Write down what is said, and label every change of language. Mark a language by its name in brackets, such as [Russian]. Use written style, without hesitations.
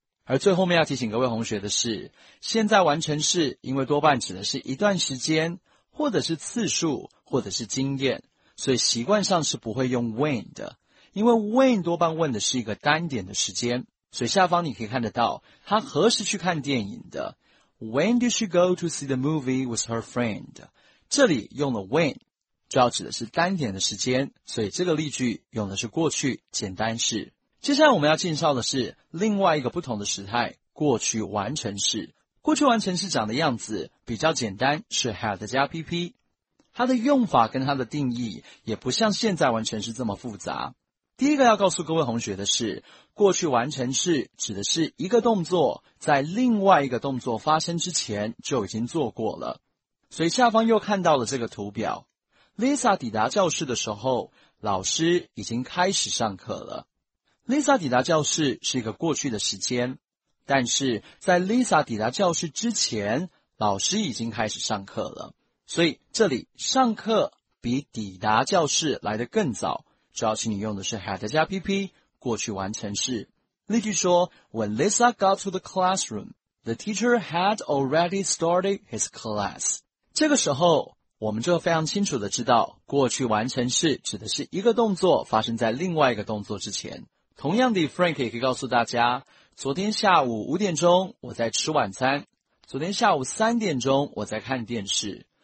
[Chinese] 而最后面要提醒各位同学的是，现在完成式因为多半指的是一段时间或者是次数或者是经验，所以习惯上是不会用 when 的，因为 when 多半问的是一个单点的时间，所以下方你可以看得到他何时去看电影的。 [English] When did she go to see the movie with her friend? [Chinese] 这里用了 when 就要指的是单点的时间，所以这个例句用的是过去简单式。接下来我们要介绍的是另外一个不同的时态，过去完成式。过去完成式长的样子比较简单，是 had 加 PP， 它的用法跟它的定义也不像现在完成式这么复杂。第一个要告诉各位同学的是，过去完成式指的是一个动作在另外一个动作发生之前就已经做过了。所以下方又看到了这个图表， Lisa 抵达教室的时候，老师已经开始上课了。 Lisa 抵达教室是一个过去的时间，但是在 Lisa 抵达教室之前，老师已经开始上课了。所以这里上课比抵达教室来得更早，主要请你用的是 had 加 PP 过去完成式。例句说， [English] When Lisa got to the classroom, the teacher had already started his class. [Chinese] 这个时候我们就非常清楚的知道，过去完成式指的是一个动作发生在另外一个动作之前。同样的， Frank 也可以告诉大家，昨天下午5点钟我在吃晚餐，昨天下午3点钟我在看电视。